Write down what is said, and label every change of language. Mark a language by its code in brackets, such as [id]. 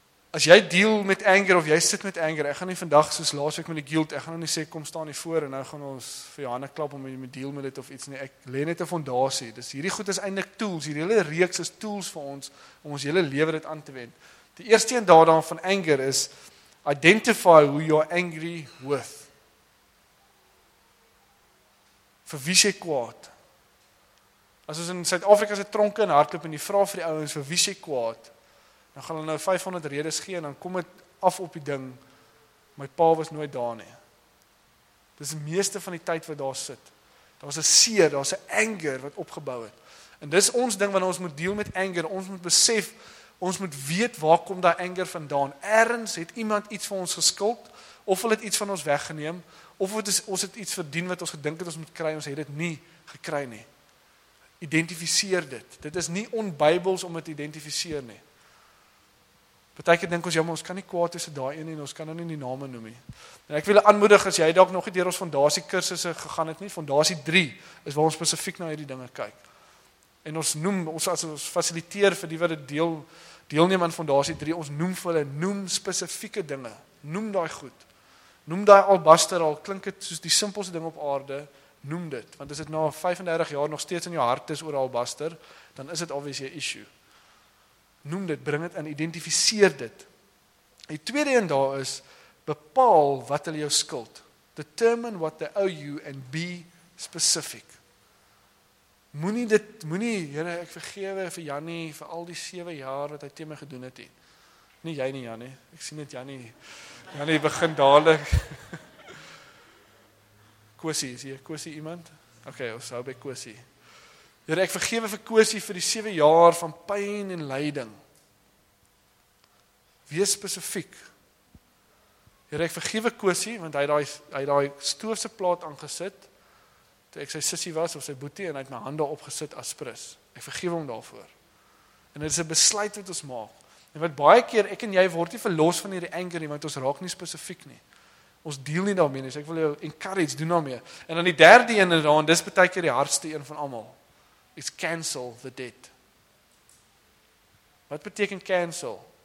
[af] As jy deal met anger of jy sit met anger, ek gaan nie vandag soos laas week met die guilt, ek gaan nou nie sê kom staan hier voor en nou gaan ons vir jou hande klap om jy met deal met dit of iets nie. Ek lê net 'n fondasie. Dis hierdie goed is eintlik tools, hierdie hele reeks is tools vir ons om ons hele lewe dit aan te wend. Die eerste een daarvan van anger is [en] identify who you're angry with. [af] Vir wie sê kwaad? As ons in Suid-Afrika se tronke en hardloop en jy vra vir die ouens vir wie sê kwaad, dan gaan hulle nou 500 redes gee en dan kom het af op die ding, my pa was nooit daar nie. Dit is die meeste van die tyd wat daar sit. Daar was 'n seer, daar was 'n anger wat opgebou het. En dis ons ding wanneer ons moet deal met anger, ons moet besef, ons moet weet waar kom daai anger vandaan. Ergens het iemand iets van ons geskuld, of hulle het iets van ons weggeneem, of het is, ons het iets verdien wat ons gedink het ons moet kry, ons het dit nie gekry nie. Identifiseer dit. Dit is nie onbybels om het te identifiseer nie. Partykeer dink ons, ja, maar ons kan nie kwaad tussen daai een en ons kan nou nie die name noem nie. En ek wil julle aanmoedig, as jy dalk nog nie deur ons fondasie kursusse gegaan het nie, fondasie 3 is waar ons spesifiek na hierdie dinge kyk. En ons noem, ons fasiliteer vir die wat het deelneem aan fondasie 3, ons noem vir hulle, noem spesifieke dinge, noem daai goed. Noem daai albaster al, klink het soos die simpelste ding op aarde, noem dit. Want as dit na 35 jaar nog steeds in jou hart is oor albaster, dan is dit obviously 'n issue. Noem dit, bring dit en identifiseer dit. Die tweede een daar is, bepaal wat hulle jou skuld. [en] Determine what they owe you and be specific. [af] Moenie, Here, ek vergewe vir Jannie vir al die 7 jaar wat hy teen my gedoen het. Nie jy nie, Jannie, ek sien dit Jannie. Ja nee, begin dadelijk. Kosie, is hier Kosie iemand? Ok, ons hou by Kosie. Heere, ek vergewe vir Kosie vir die 7 jaar van pyn en lyding. Wees spesifiek. Heere, ek vergewe Kosie, want hy daai stoofse plaat aangesit, toe ek sy sissie was of sy boetie, en hy het my hande opgesit as prus. Ek vergewe hom daarvoor. En dit is 'n besluit wat ons maak. En wat baie keer, ek en jy word nie verlos van hierdie anger nie, want ons raak nie spesifiek nie. Ons deel nie daarmee nie, so ek wil jou encourage, doen daarmee. En dan die derde een is daar, en dis baie keer die hardste een van allemaal, is [en] cancel the debt. [af] Wat beteken cancel?